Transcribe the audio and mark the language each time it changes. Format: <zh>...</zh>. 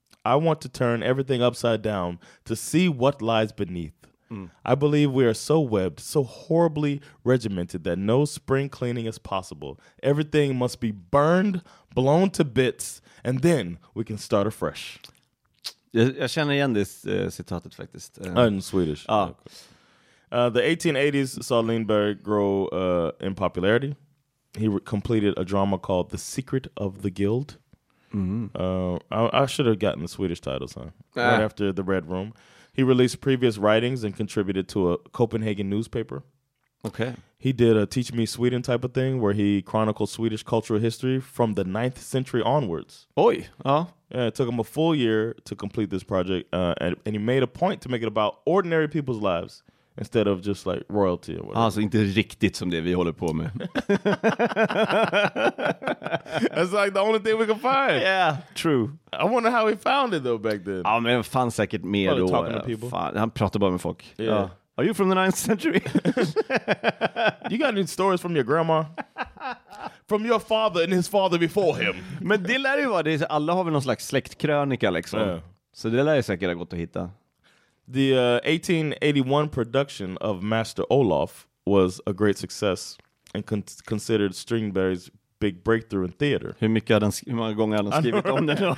<en>I want to turn everything upside down to see what lies beneath. Mm. I believe we are so webbed, so horribly regimented that no spring cleaning is possible. Everything must be burned, blown to bits, and then we can start afresh.</en> <sv>Jag känner igen det citatet faktiskt.</sv> <en>In Swedish. Ah. Okay. The 1880s saw Lindberg grow in popularity. He completed a drama called The Secret of the Guild. Mm-hmm. I should have gotten the Swedish titles, huh? Right after The Red Room. He released previous writings and contributed to a Copenhagen newspaper. Okay. He did a Teach Me Sweden type of thing where he chronicled Swedish cultural history from the 9th century onwards. Oi. Yeah, it took him a full year to complete this project, and he made a point to make it about ordinary people's lives instead of just like royalty or whatever.</en> <sv>Alltså inte riktigt som det vi håller på med.</sv> <en>That's like the only thing we can find. Yeah, true. I wonder how he found it though back then.</en> <sv>Ja, men han fanns säkert mer då.</sv> <en>Talking to people.</en> <sv>Fan, han pratade bara med folk.</sv> <en>Yeah.</en> <sv>Ja.</sv> <en>Are you from the 9th century? You got any stories from your grandma? From your father and his father before him?</en> <sv>Men det lär ju vara det. Alla har väl någon slags släktkrönika liksom.</sv> <en>Yeah.</en> <sv>Så det lär ju säkert ha gått att hitta.</sv> <en>The 1881 production of Master Olof was a great success and considered Strindberg's big breakthrough in theater.</en> <sv>Hur mycket har den, hur många gånger har han skrivit om den?</sv>